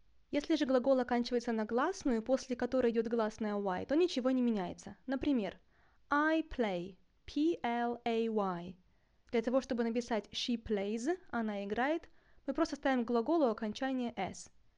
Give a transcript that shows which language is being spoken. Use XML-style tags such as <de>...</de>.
<ru>Если же глагол оканчивается на гласную, после которой идет гласная Y, то ничего не меняется. Например,</ru> <en>I play. P-L-A-Y.</en> <ru>Для того, чтобы написать</ru> <en>she plays,</en> <ru>она играет, мы просто ставим к глаголу окончание S.</ru>